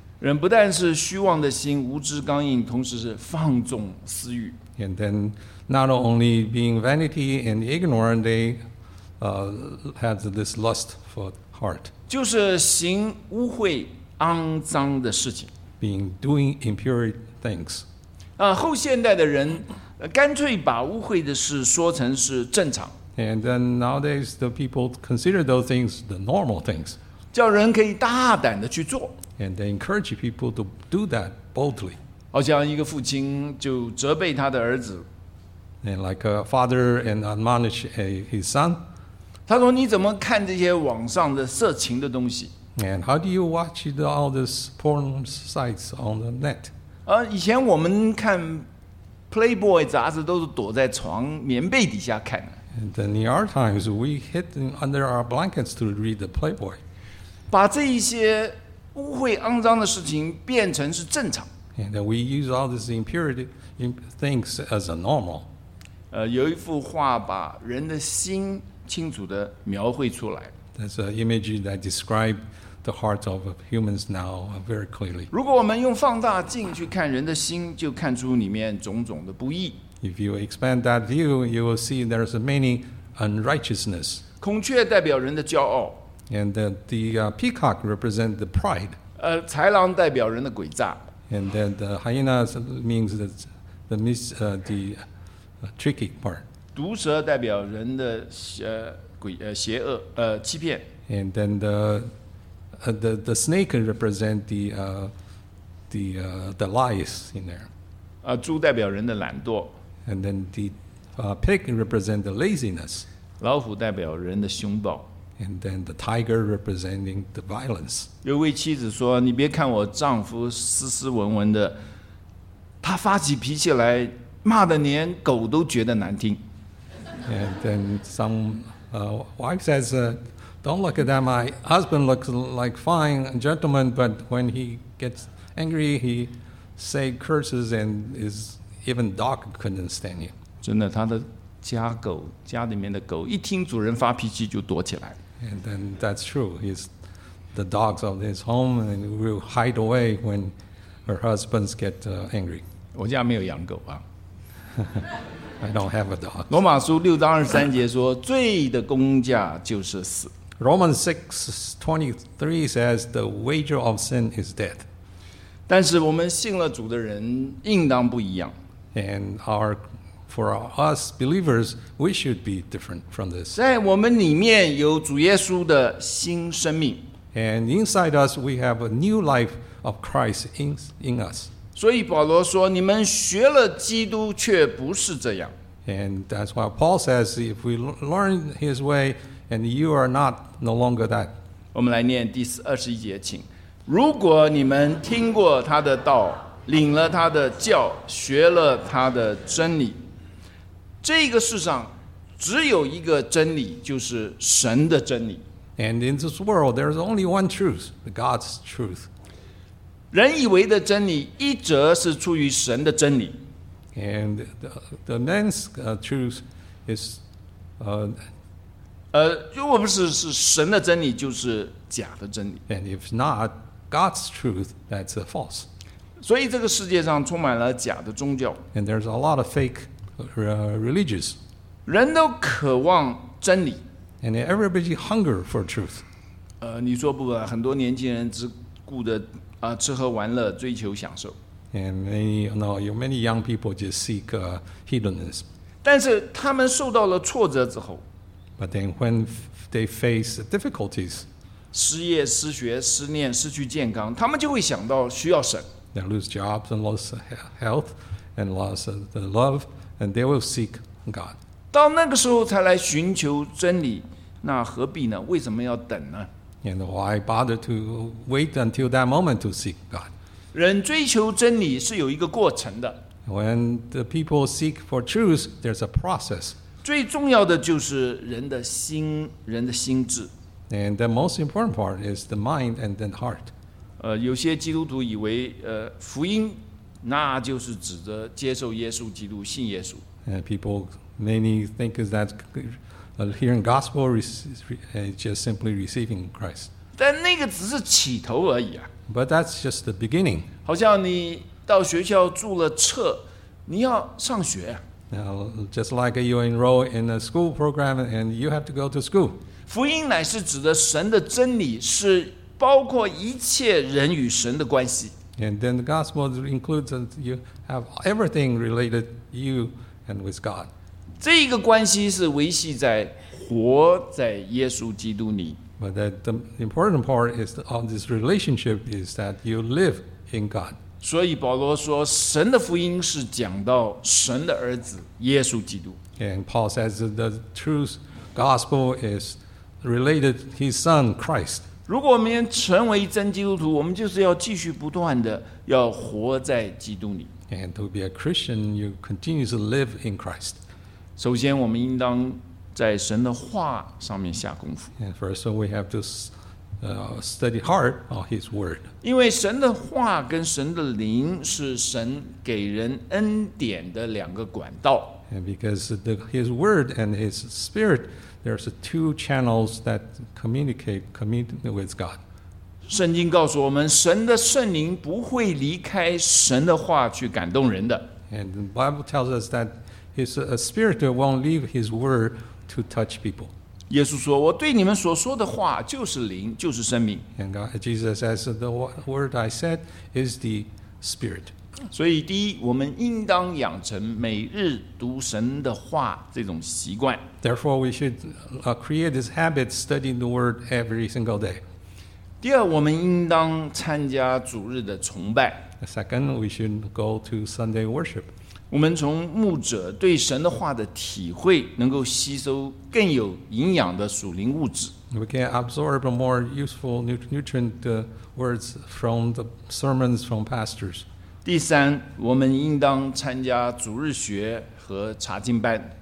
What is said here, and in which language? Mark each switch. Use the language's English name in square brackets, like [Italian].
[Chinese] 人不但是虚妄的心、无知、刚硬，同时是放纵私欲。 [English] And then, not only being vanity and ignorant, they had this lust for heart. [Chinese] 就是行污秽、肮脏的事情。 [English] Being doing impure things. [Chinese] 后现代的人干脆把污秽的事说成是正常。 [English] And then nowadays, the people consider those things the normal things. [Chinese] 叫人可以大胆的去做。 [English] And they encourage people to do that boldly. [Chinese] 好像一个父亲就责备他的儿子。 [English] And like a father and admonish his son. [Chinese] 他说你怎么看这些网上的色情的东西？ [English] And how do you watch all these porn sites on the net? [Chinese] 以前我们看 Playboy 杂志都是躲在床棉被底下看。 [English] And then in our times, we hid under our blankets to read the Playboy. [Chinese] 把这一些污秽肮脏的事情变成是正常。 [English] And we use all these impurity things as a normal. [Chinese] 有一幅画把人的心清楚地描绘出来。 [English] That's an image that describes the heart of humans now very clearly. [Chinese] 如果我们用放大镜去看人的心，就看出里面种种的不义。 [English] If you expand that view, you will see there's many unrighteousness. [Chinese] 孔雀代表人的骄傲。 [English] And the peacock represents the pride. [Chinese] 豺狼代表人的诡诈。 [English] And then the hyena means the tricky part. [Chinese] 毒蛇代表人的邪恶欺骗。 [English] And then the snake represents the lies in there. [Chinese] 猪代表人的懒惰。 [English] And then the pig represents the laziness. [Chinese] 老虎代表人的凶暴。 [English] And then the tiger representing the violence. [Chinese] 有位妻子说，你别看我丈夫斯斯文文的，他发起脾气来骂的连狗都觉得难听。 [English] And then some wife says, don't look at that. My husband looks like fine gentleman, but when he gets angry, he say curses and is even dog couldn't stand him. [Chinese] 真的，他的家狗，家里面的狗一听主人发脾气就躲起来。 [English] And then that's true. He's the dogs of his home and will hide away when her husbands get angry. [Chinese] 我家没有养狗啊。 [English] I don't have a dog. [Chinese] 罗马书六章二十三节说，罪的工价就是死。 [English] Romans 6:23 says the wager of sin is death. [Chinese] 但是我们信了主的人应当不一样。 [English] And for us believers, we should be different from this. [Chinese] 在我们里面有主耶稣的新生命。 [English] And inside us, we have a new life of Christ in us. [Chinese] 所以保罗说，你们学了基督却不是这样。 [English] And that's why Paul says, if we learn his way, and you are not no longer that. [Chinese] 我们来念第二十一节，请。如果你们听过他的道，领了他的教，学了他的真理，这个世上只有一个真理，就是神的真理。 [English] And in this world, there is only one truth, God's truth. [Chinese] 人以为的真理，一则是出于神的真理。 [English] And the man's truth is [Chinese] 如果不是是神的真理，就是假的真理。 [English] And if not God's truth, that's a false. [Chinese] 所以这个世界上充满了假的宗教。 [English] And there's a lot of fake religions. [Chinese] 人都渴望真理。 [English] And everybody hunger for truth. [Chinese] 你说不，很多年轻人只顾着吃喝玩乐，追求享受。 [English] And many young people just seek hedonism. [Chinese] 但是他们受到了挫折之后。 [English] But then when they face difficulties. [Chinese] 失业、失学、失恋、失去健康，他们就会想到需要神。 [English] They lose jobs and lost health and lost the love, and they will seek God. [Chinese] 到那个时候才来寻求真理，那何必呢？为什么要等呢？ [English] And why bother to wait until that moment to seek God? [Chinese] 人追求真理是有一个过程的。 [English] When the people seek for truth, there's a process. [Chinese] 最重要的就是人的心，人的心智。 [English] And the most important part is the mind and the heart. [Chinese] 有些基督徒以为福音那就是指着接受耶稣基督信耶稣。 [English] And people many think that hearing gospel is just simply receiving Christ. [Chinese] 但那个只是起头而已啊。 [English] But that's just the beginning. [Chinese] 好像你到学校住了册，你要上学。 [English] Now, just like you enroll in a school program and you have to go to school. [Chinese] 福音乃是指的神的真理，是包括一切人与神的关系。 [English] And then the gospel includes that you have everything related you and with God. [Chinese] 这一个关系是维系在活在耶稣基督里。 [English] But the important part is of this relationship is that you live in God. [Chinese] 所以保罗说，神的福音是讲到神的儿子耶稣基督。 [English] And Paul says that the true gospel is related to his son Christ. [Chinese] 如果我们成为真基督徒，我们就是要继续不断的要活在基督里。 [English] And to be a Christian, you continue to live in Christ. [Chinese] 首先，我们应当在神的话上面下功夫。 [English] And first, we have to study hard on His word. [Chinese] 因为神的话跟神的灵是神给人恩典的两个管道。 [English] And because His word and His spirit. There's two channels that communicate with God. [Chinese] 圣经告诉我们，神的圣灵不会离开神的话去感动人的。 [English] And the Bible tells us that His Spirit won't leave His Word to touch people. [Chinese] 耶稣说，我对你们所说的话就是灵，就是生命。 [English] And God, Jesus says, the word I said is the Spirit. [Chinese] 所以第一，我们应当养成每日读神的话这种习惯。 [English] Therefore, we should create this habit studying the word every single day. [Chinese] 第二，我们应当参加主日的崇拜。 [English] Second, we should go to Sunday worship. [Chinese] 我们从牧者对神的话的体会，能够吸收更有营养的属灵物质。 [English] We can absorb more useful nutrient words from the sermons from pastors. [Chinese] 第三，我们应当参加主日学和查经班。